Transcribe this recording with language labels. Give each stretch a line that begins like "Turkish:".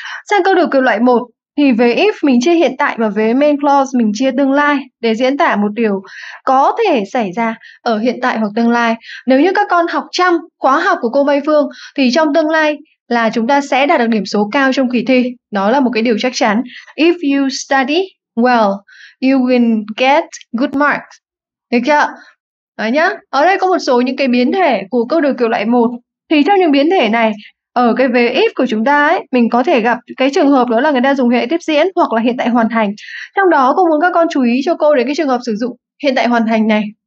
Vietnamese: Sang câu điều kiện loại 1 thì vế if mình chia hiện tại và vế main clause mình chia tương lai để diễn tả một điều có thể xảy ra ở hiện tại hoặc tương lai. Nếu như các con học chăm khóa học của cô Mai Phương thì trong tương lai là chúng ta sẽ đạt được điểm số cao trong kỳ thi. Đó là một cái điều chắc chắn.
English: If you study well, you will get good marks.
Vietnamese: Được chưa? Đấy nhá. Ở đây có một số những cái biến thể của câu điều kiện loại 1. Thì trong những biến thể này, ở cái vế if của chúng ta ấy, mình có thể gặp cái trường hợp đó là người ta dùng hệ tiếp diễn hoặc là hiện tại hoàn thành. Trong đó cô muốn các con chú ý cho cô đến cái trường hợp sử dụng hiện tại hoàn thành này.